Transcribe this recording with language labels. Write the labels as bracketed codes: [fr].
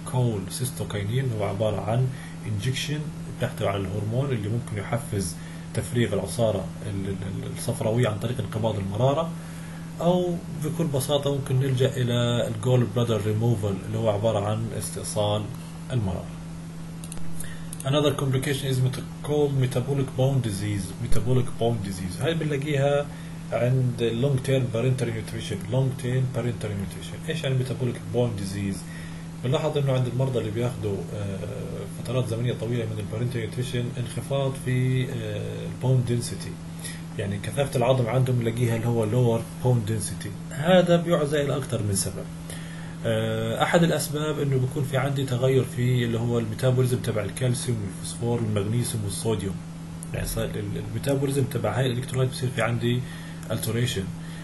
[ar] كول سيستوكاينين هو عباره عن انجكشن تحتوي على الهرمون اللي ممكن يحفز تفريغ العصاره الصفراويه عن طريق انقباض المراره، او بكل بساطه ممكن نلجا الى الجول برادر ريموفال اللي هو عباره عن استئصال المرار. [en] Another complication is called metabolic bone disease. Metabolic bone disease [ar] هاي بنلاقيها عند [en] long term parenteral nutrition. [ar] Long term parenteral nutrition ايش يعني metabolic bone disease؟ بنلاحظ انه عند المرضى اللي بياخذوا فترات زمنيه طويله من البارنتري نيوتريشن، انخفاض في البون دنسيتي، يعني كثافة العظم عندهم نلاقيها اللي هو lower bone density. هذا بيعزى إلى أكثر من سبب. أحد الأسباب إنه بيكون في عندي تغير في اللي هو الميتابوليزم تبع الكالسيوم والفوسفور والمغنيسيوم والصوديوم، يعني الميتابوليزم تبع هاي الإلكترولايت بيصير في عندي alteration.